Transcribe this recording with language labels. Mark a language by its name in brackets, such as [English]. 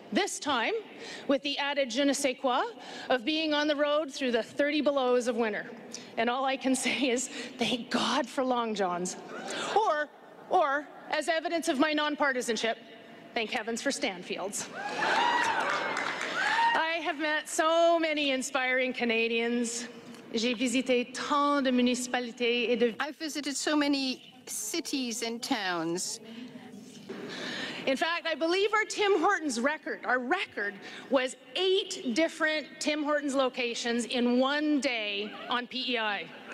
[English] This time, with the added je ne sais quoi of being on the road through the 30 belows of winter. And all I can say is, thank God for long johns. Or, as evidence of my nonpartisanship, thank heavens for Stanfields. I have met so many inspiring Canadians. [French] J'ai visité tant de municipalités et de... [English] I've visited so many cities and towns. In fact, I believe our record was 8 different Tim Hortons locations in one day on PEI.